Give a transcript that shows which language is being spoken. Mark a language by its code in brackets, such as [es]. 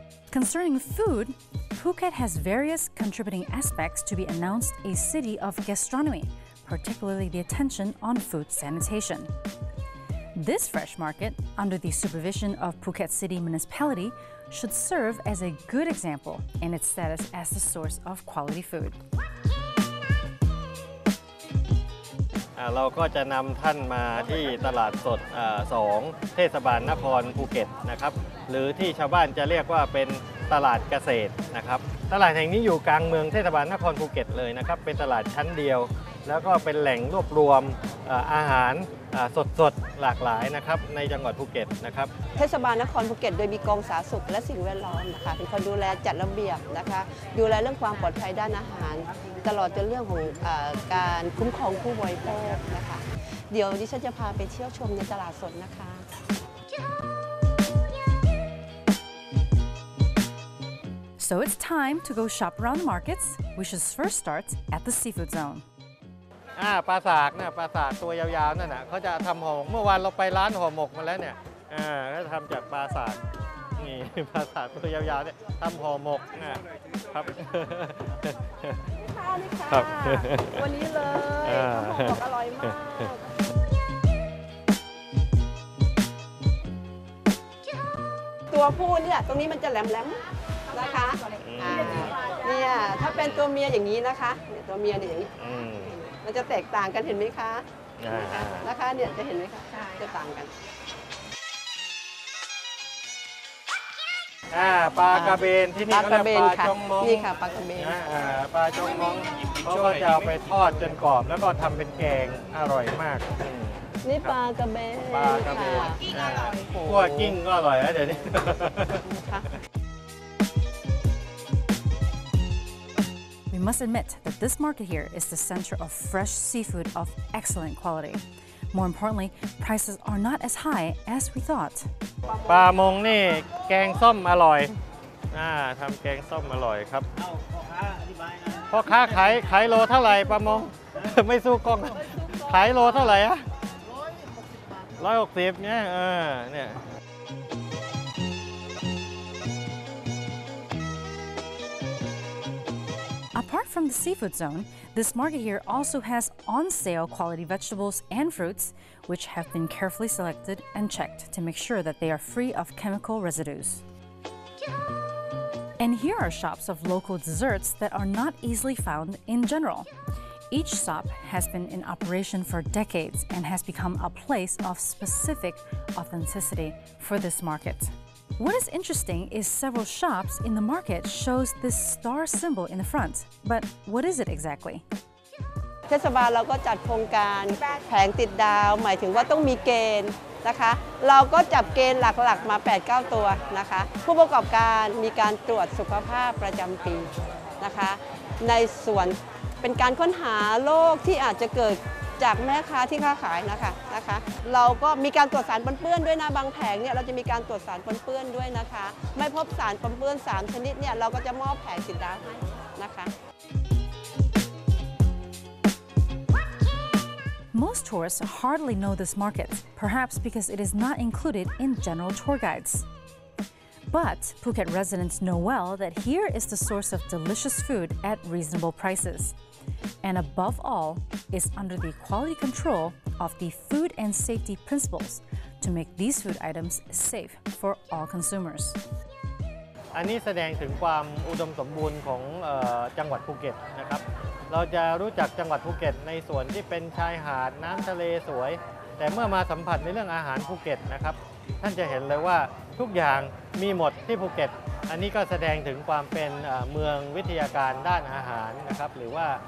[en] Concerning food, Phuket has various contributing aspects to be announced a city of gastronomy, particularly the attention on food sanitation. This fresh market, under the supervision of Phuket City Municipality, should serve as a good example in its status as the source of quality food. [th] เราก็จะนำท่านมาที่ตลาดสด2เทศบาลนครภูเก็ตนะครับหรือที่ชาวบ้านจะเรียกว่าเป็นตลาดเกษตรนะครับตลาดแห่งนี้อยู่กลางเมืองเทศบาลนครภูเก็ตเลยนะครับเป็นตลาดชั้นเดียวแล้วก็เป็นแหล่งรวบรวมอาหารสดๆหลากหลายนะครับในจังหวัดภูเก็ตนะครับ เทศบาลนครภูเก็ตโดยมีกองสาธารณสุขและสิ่งแวดล้อมนะคะเป็นคนดูแลจัดระเบียบนะคะดูแลเรื่องความปลอดภัยด้านอาหารตลอดจนเรื่องของการคุ้มครองผู้บริโภคนะคะเดี๋ยวดิฉันจะพาไปเที่ยวชมในตลาดสดนะคะ [en] So it's time to go shop around the markets, which is first starts at the seafood zone. [th] ปลาสากเนี่ยปลาสากตัวยาวๆนั่นน่ะเขาจะทำห่อหมกเมื่อวานเราไปร้านห่อหมกมาแล้วเนี่ยก็ทำจากปลาสากนี่ปลาสากตัวยาวๆเนี่ยทำห่อหมกนะครับ ครับวันนี้เลยห่อหมกอร่อยมากตัวผู้เนี่ยตรงนี้มันจะแหลมๆนะคะเนี่ยถ้าเป็นตัวเมียอย่างนี้นะคะเนี่ยตัวเมียนี่มันจะแตกต่างกันเห็นไหมคะนะคะเนี่ยจะเห็นไหมคะจะต่างกัน ปลากระเบนที่นี่ก็เรียกปลาจงมอง นี่ค่ะปลากระเบน ปลาจงมองเขาก็จะเอาไปทอดจนกรอบแล้วก็ทำเป็นแกงอร่อยมาก นี่ปลากระเบน ปลากระเบน กุ้งอร่อย กุ้งก็อร่อยนะเดี๋ยวนี้ [en] We must admit that this market here is the center of fresh seafood of excellent quality. More importantly, prices are not as high as we thought. [th] ปลาหมงนี่แกงส้มอร่อยทำแกงส้มอร่อยครับพ่อค้าขายโลเท่าไหร่ปลาหมงไม่สู้กล้องขายโลเท่าไหร่อ่ะ160เนี่ยเนี่ย [en] Apart from the seafood zone, this market here also has on-sale quality vegetables and fruits, which have been carefully selected and checked to make sure that they are free of chemical residues. And here are shops of local desserts that are not easily found in general. Each shop has been in operation for decades and has become a place of specific authenticity for this market. What is interesting is several shops in the market shows this star symbol in the front, but what is it exactly? [th] เทศบาลเราก็จัดโครงการแผงติดดาวหมายถึงว่าต้องมีเกณฑ์นะคะเราก็จับเกณฑ์หลักๆมา 8-9 ตัวนะคะผู้ประกอบการมีการตรวจสุขภาพประจำปีนะคะในส่วนเป็นการค้นหาโรคที่อาจจะเกิดจากแม่ค้าที่ค้าขายนะคะนะคะเราก็มีการตรวจสารปนเปื้อนด้วยนะบางแผงเนี่ยเราจะมีการตรวจสารปนเปื้อนด้วยนะคะไม่พบสารปนเปื้อน3ชนิดเนี่ยเราก็จะมอบแผงติดดาวให้นะคะ [en] Most tourists hardly know this market, perhaps because it is not included in general tour guides. But Phuket residents know well that here is the source of delicious food at reasonable prices. And above all, is under the quality control of the food and safety principles to make these food items safe for all consumers. [th] อันนี้แสดงถึงความอุดมสมบูรณ์ของจังหวัดภูเก็ตนะครับเราจะรู้จักจังหวัดภูเก็ตในส่วนที่เป็นชายหาดน้ำทะเลสวยแต่เมื่อมาสัมผัสในเรื่องอาหารภูเก็ตนะครับท่านจะเห็นเลยว่าทุกอย่างมีหมดที่ภูเก็ตอันนี้ก็แสดงถึงความเป็นเมืองวิทยาการด้านอาหารนะครับหรือว่า